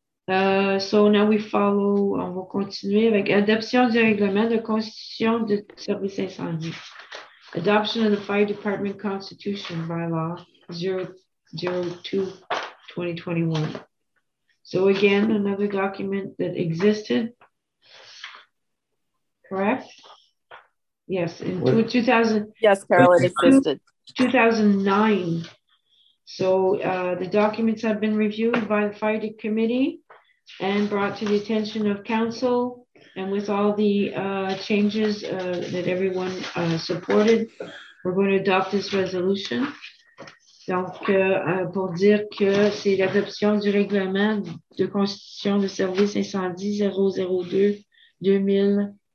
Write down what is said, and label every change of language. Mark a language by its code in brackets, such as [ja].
[en] So now we follow, [fr] on va continuer avec adoption du règlement de constitution de service incendie. [en] Adoption of the Fire Department Constitution by Law 002-2021. So again, another document that existed, correct? Yes, in 2000. Yes, Carol, it existed. 2009. So the documents have been reviewed by the fire committee and brought to the attention of council And with all the changes that everyone supported, we're going to adopt this resolution. [fr] Donc, pour dire que c'est l'adoption du règlement de constitution de service incendie 002-2021.